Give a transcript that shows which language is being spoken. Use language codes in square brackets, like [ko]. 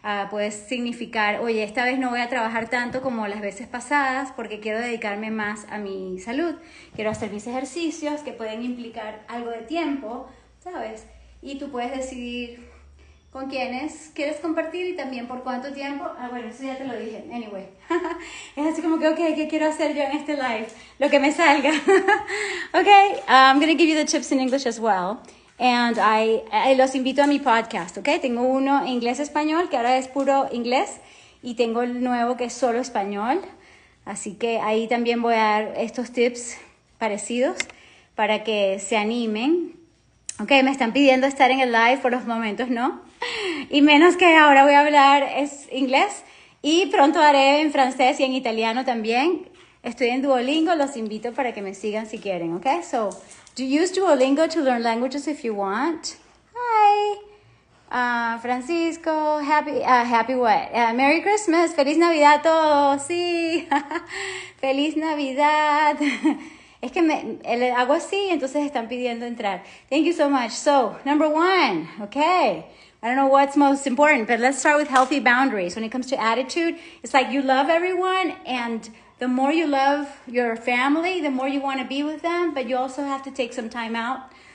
[es] Puede significar, oye, esta vez no voy a trabajar tanto como las veces pasadas porque quiero dedicarme más a mi salud. Quiero hacer mis ejercicios, que pueden implicar algo de tiempo, ¿sabes? Y tú puedes decidir con quiénes quieres compartir y también por cuánto tiempo. Ah, bueno, eso ya te lo dije. Anyway. Es así como que, ok, ¿qué quiero hacer yo en este live? Lo que me salga. [en] Ok, I'm going to give you the tips in English as well. And I [es] los invito a mi podcast, ¿ok? Tengo uno en inglés-español, que ahora es puro inglés, y tengo el nuevo que es solo español. Así que ahí también voy a dar estos tips parecidos para que se animen. Ok, me están pidiendo estar en el live por los momentos, ¿no? Y menos que ahora voy a hablar es inglés, y pronto haré en francés y en italiano también. Estoy en Duolingo, los invito para que me sigan si quieren, ¿ok? [en] So, do you use Duolingo to learn languages if you want? Hi, Francisco, happy what? Merry Christmas, [es] Feliz Navidad a todos, sí, Feliz Navidad. Es que me hago así, entonces están pidiendo entrar. [en] Thank you so much. So, number one, okay. I don't know what's most important, but let's start with healthy boundaries. When it comes to attitude, it's like you love everyone, and the more you love your family, the more you want to be with them, but you also have to take some time out.